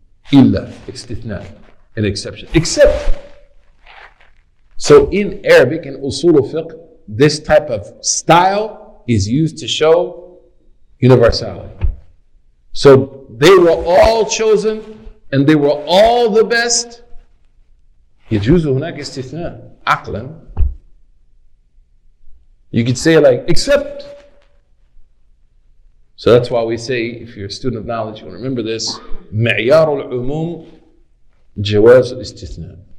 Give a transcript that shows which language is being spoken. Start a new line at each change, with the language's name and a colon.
Arabic: إِلَّا إِسْتِثْنَى.
English: An exception. Except. So in Arabic, in Usul al-Fiqh, this type of style is used to show universality. So they were all chosen and they were all the best.
Arabic: يجوزوا هناك استثناء عقلا.
English: You could say like, except. So that's why we say, if you're a student of knowledge, you'll remember this.
Arabic: معيار العموم جواز الاستثناء.